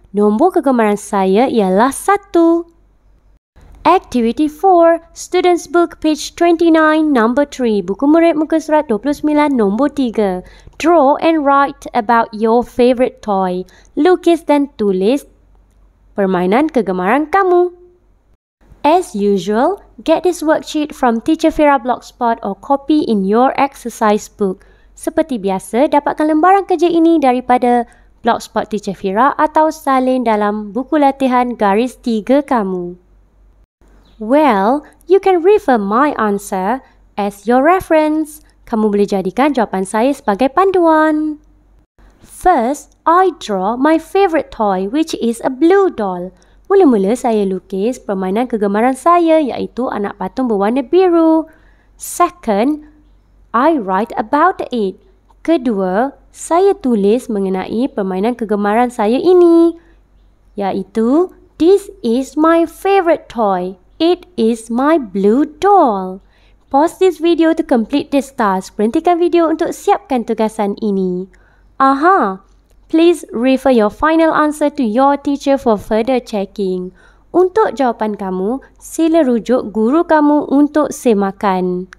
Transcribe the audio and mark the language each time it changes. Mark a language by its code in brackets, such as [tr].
[ms] Nombor kegemaran saya ialah 1. [en] Activity 4. Student's book, page 29, number 3. [ms] Buku murid muka surat 29, number 3. [en] Draw and write about your favorite toy. [ms] Lukis dan tulis permainan kegemaran kamu. [en] As usual, get this worksheet from Teacher Fira Blogspot or copy in your exercise book. [ms] Seperti biasa, dapatkan lembaran kerja ini daripada Blogspot Teacher Fira atau salin dalam buku latihan garis 3 kamu. Well, you can refer my answer as your reference. Kamu boleh jadikan jawapan saya sebagai panduan. [en] First, I draw my favorite toy, which is a blue doll. [ms] Mula-mula saya lukis permainan kegemaran saya iaitu anak patung berwarna biru. [en] Second, I write about it. [ms] Kedua, saya tulis mengenai permainan kegemaran saya ini iaitu [en] this is my favorite toy. It is my blue doll. Pause this video to complete this task. [ms] Berhentikan video untuk siapkan tugasan ini. Aha! [en] Please refer your final answer to your teacher for further checking. [ms] Untuk jawapan kamu, sila rujuk guru kamu untuk semakan.